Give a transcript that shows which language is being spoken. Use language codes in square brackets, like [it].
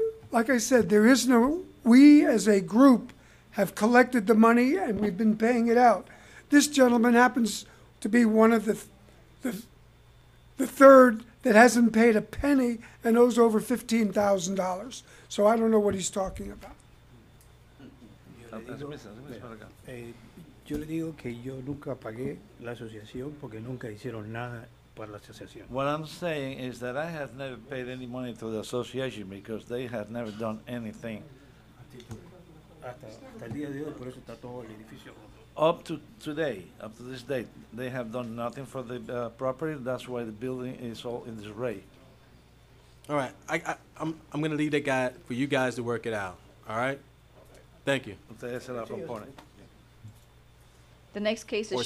[en] Like I said, there is no, we as a group have collected the money and we've been paying it out. This gentleman happens to be one of the third that hasn't paid a penny and owes over $15,000. So I don't know what he's talking about. [es] Yo le digo que yo nunca pagué la asociación porque nunca hicieron nada para la asociación. [en] What I'm saying is that I have never paid any money to the association because they have never done anything. [es] Hasta el día de hoy, por eso está todo el edificio. [en] Up to this date, they have done nothing for the property. That's why the building is all in disarray. All right, I'm going to leave that guy for you guys to work it out. All right. Thank you. The next case is